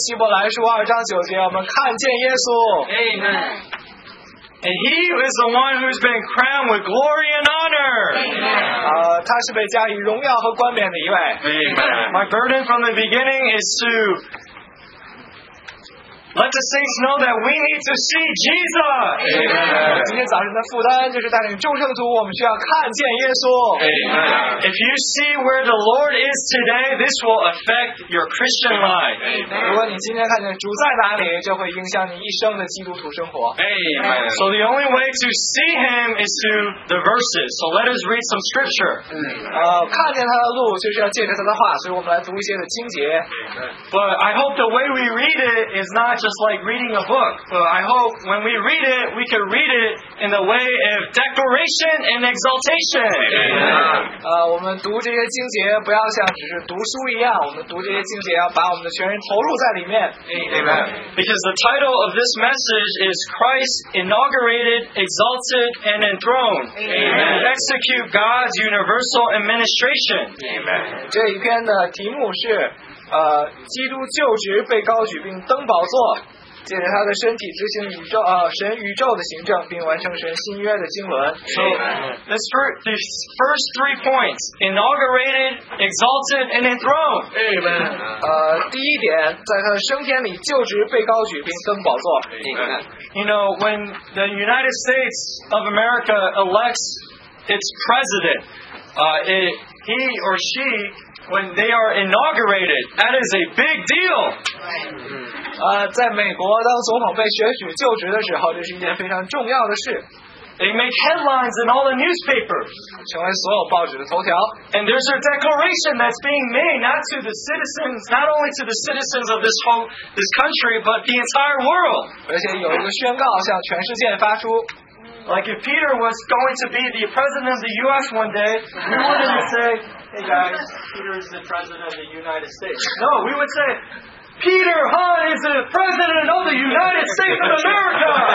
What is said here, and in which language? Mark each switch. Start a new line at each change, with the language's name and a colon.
Chinese: 希伯来书二章九节，我们看见耶稣。
English: Amen. And He is the one who's been crowned with glory and honor. Amen.
Chinese: 他是被加以荣耀和冠冕的一位。
English: Amen. My burden from the beginning is to let the saints know that we need to see Jesus. Amen.
Chinese: 今天早晨的负担就是带领众圣徒，我们需要看见耶稣。
English: Amen. If you see where the Lord is today, this will affect your Christian life. Amen.
Chinese: 如果你今天看见主在哪里，就会影响你一生的基督徒生活。
English: Amen. So the only way to see Him is through the verses. So let us read some scripture.
Chinese: 看见他的路就是要借着他的话，所以我们来读一些的经节。
English: But I hope the way we read it is not just like reading a book, but I hope when we read it, we can read it in the way of declaration and exaltation. Amen.
Chinese: 我们读这些经节不要像只是读书一样，我们读这些经节要把我们的全人投入在里面。
English: Amen. Because the title of this message is Christ inaugurated, exalted, and enthroned. Amen. To execute God's universal administration. Amen.
Chinese: 这一篇的题目是基督就职被高举并登宝座，借着他的身体执行宇宙神宇宙的行政，并完成神新约的经文。
English: So this the first three points: inaugurated, exalted, and enthroned. Amen.
Chinese: 第一点，在他的升天里就职被高举并登宝座。
English: Amen. You know when the United States of America elects its president, he or she, when they are inaugurated, that is a big deal.
Chinese: 在美国当总统被选举就职的时候，这是一件非常重要的事。
English: They make headlines in all the newspapers.
Chinese: 成为所有报纸的头条。
English: And there's a declaration that's being made not to the citizens, not only to the citizens of this country, but the entire world.
Chinese: 而且有一个宣告向全世界发出。
English: Like if Peter was going to be the president of the U.S. one day, we wouldn't say, hey guys, Peter is the president of the United States. No, we would say, Peter Hahn is the president of the United States of America!